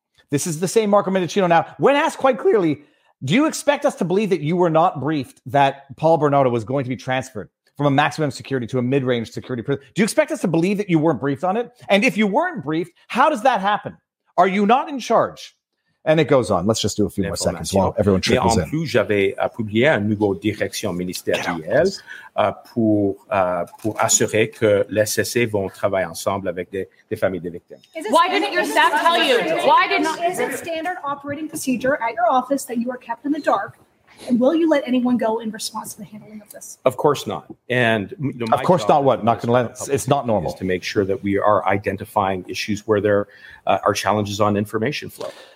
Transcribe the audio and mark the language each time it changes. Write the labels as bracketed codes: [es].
[en] This is the same Marco Mendicino. Now, when asked quite clearly, do you expect us to believe that you were not briefed that Paul Bernardo was going to be transferred from a maximum security to a mid-range security prison? Do you expect us to believe that you weren't briefed on it? And if you weren't briefed, how does that happen? Are you not in charge? And it goes on. Let's just do a few more seconds while everyone trickles [fr] in. Mais en plus, j'avais publié un nouveau direction ministérielle pour assurer que l'SSC vont travailler ensemble avec des familles des victimes. [en] Why didn't your staff tell you? Why did not? Is it standard operating procedure at your office that you are kept in the dark? And will you let anyone go in response to the handling of this? Of course not. And you know, of course not what? Not going to let it's not normal. Is to make sure that we are identifying issues where there are challenges on information flow.